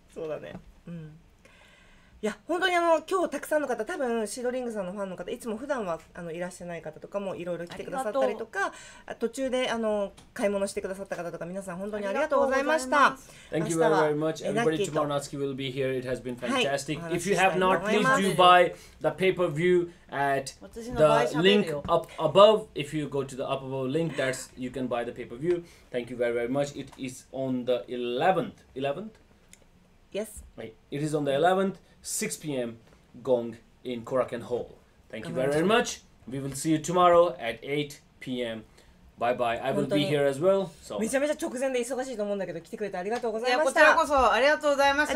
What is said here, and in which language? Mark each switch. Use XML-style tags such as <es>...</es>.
<ja>そうだね、うん、いや本当にあの今日たくさんの方、多分シードリングさんのファンの方、いつも普段はあのいらしてない方とかもいろいろ来てくださったりとか、途中であの買い物してくださった方とか、皆さん本当にありがとうございました。</ja> <en>Thank you very, very much. Everybody, tomorrow Natsuki will be here. It has been fantastic. If you have not, please do buy the pay-per-view at the link up above. If you go to the up above link, that's you can buy the pay-per-view. Thank you very, very much. It is on the 11th. 11th? Yes. Right. It is on the 11th. 6 p.m. gong in Korakuen Hall. Thank you very, very much. We will see you tomorrow at 8 p.m. Bye bye. I will be here as well. So.</en> <ja>めちゃめちゃ直前で忙しいと思うんだけど、来てくれてありがとうございました。こちらこそありがとうございました。</ja>